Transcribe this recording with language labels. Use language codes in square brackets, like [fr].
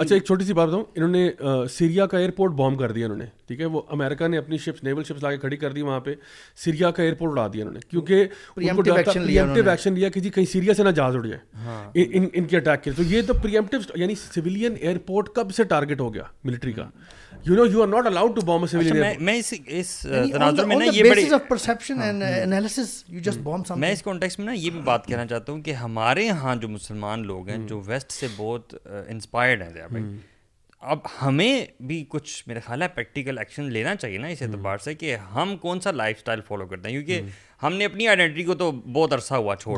[hi] अच्छा, एक छोटी सी बात बताऊँ, इन्होंने सीरिया का एयरपोर्ट बॉम्ब कर दिया इन्होंने, ठीक है, वो अमेरिका ने अपनी शिप्स, नेवल शिप्स लाके खड़ी कर दी वहाँ पे, सीरिया का एयरपोर्ट उड़ा दिया इन्होंने, क्योंकि प्रीएम्प्टिव एक्शन लिया कि जी कहीं सीरिया से ना जहाज उड़ जाए. हाँ. इनके अटैक के, तो ये तो प्रीएम्प्टिव यानी सिविलियन एयरपोर्ट कब से टारगेट हो गया मिलिट्री का. [en] You know, you are not allowed to bomb a civilian airport. [hi] मैं इस तनाजुर में ना ये [en] बड़े basis of perception and analysis, you just bomb something. [hi] मैं इस context में ना ये भी बात कहना चाहता हूँ कि हमारे यहाँ जो मुसलमान लोग हैं जो वेस्ट से बहुत इंस्पायर्ड हैं, अब हमें भी कुछ मेरे ख्याल है प्रैक्टिकल एक्शन लेना चाहिए ना इस एतबार से कि हम कौन सा लाइफ स्टाइल फॉलो करते हैं, क्योंकि हमने अपनी आइडेंटिटी को तो बहुत अरसा हुआ छोड़